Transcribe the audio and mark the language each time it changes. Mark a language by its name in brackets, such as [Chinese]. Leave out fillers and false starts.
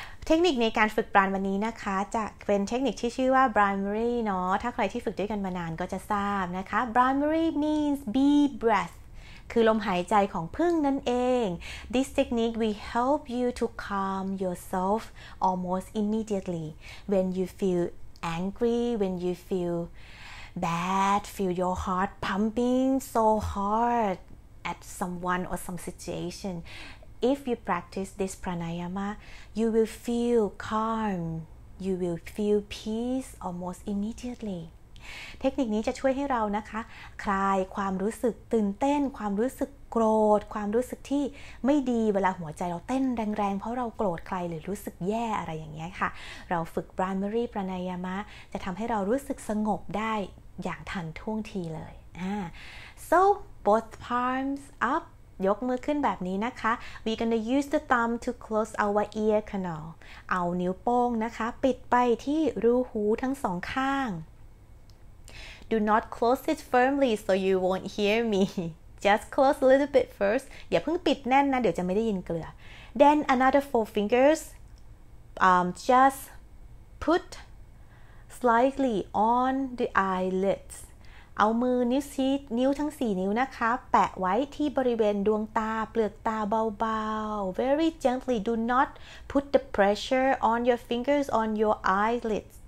[English] Technique [Thai] ในการฝึกปราณวันนี้นะคะจะเป็นเทคนิคที่ชื่อว่า primary เนาะถ้าใครที่ฝึกด้วยกันมานานก็จะทราบนะคะ [English] primary means bee breath [Thai] คือลมหายใจของผึ้งนั่นเอง [English] This technique will help you to calm yourself almost immediately when you feel angry, when you feel bad, feel your heart pumping so hard at someone or some situation. If you practice this pranayama, you will feel calm, you will feel peace almost immediately. [Thai] เทคนิคนี้จะช่วยให้เรานะคะคลายความรู้สึกตื่นเต้นความรู้สึกโกรธความรู้สึกที่ไม่ดีเวลาหัวใจเราเต้นแรงๆเพราะเราโกรธใครหรือรู้สึกแย่อะไรอย่างเงี้ยค่ะเราฝึก primary pranayama จะทำให้เรารู้สึกสงบได้อย่างทันท่วงทีเลย [English] so both palms up [Thai] ยกมือขึ้นแบบนี้นะคะ [English] we're gonna use the thumb to close our ear canal [Thai] เอานิ้วโป้งนะคะปิดไปที่รูหูทั้งสองข้าง [English] Do not close it firmly so you won't hear me. Just close a little bit first. [Thai] อย่าเพิ่งปิดแน่นนะเดี๋ยวจะไม่ได้ยินเกลือ [English] Then another four fingers. Just put slightly on the eyelids. [Thai] เอามือนิ้วชี้นิ้วทั้ง4นิ้วนะคะแปะไว้ที่บริเวณดวงตาเปลือกตาเบาๆ [English] Very gently. Do not put the pressure on your fingers on your eyelids.